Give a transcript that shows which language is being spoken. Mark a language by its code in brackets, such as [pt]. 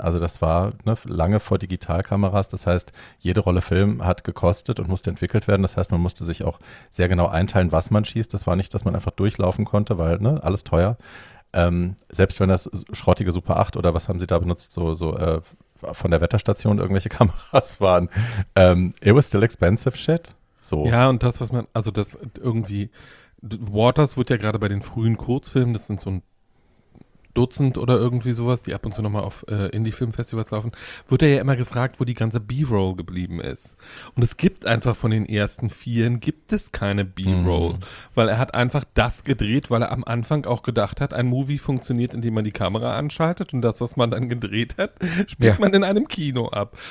[de] Also das war lange vor Digitalkameras. Das heißt, jede Rolle Film hat gekostet und musste entwickelt werden. Das heißt, man musste sich auch sehr genau einteilen, was man schießt. Das war nicht, dass man einfach durchlaufen konnte, weil alles teuer. Selbst wenn das schrottige Super 8 oder was haben sie da benutzt, von der Wetterstation irgendwelche Kameras waren. [en] It was still expensive shit. So. [de] Ja, und das, was man, also das irgendwie, Waters wird ja gerade bei den frühen Kurzfilmen, das sind so ein Dutzend oder irgendwie sowas, die ab und zu nochmal auf Indie-Filmfestivals laufen, wird er ja immer gefragt, wo die ganze B-Roll geblieben ist. Und es gibt einfach von den ersten vieren, gibt es keine B-Roll, weil er hat einfach das gedreht, weil er am Anfang auch gedacht hat, ein Movie funktioniert, indem man die Kamera anschaltet und das, was man dann gedreht hat, spielt man in einem Kino ab.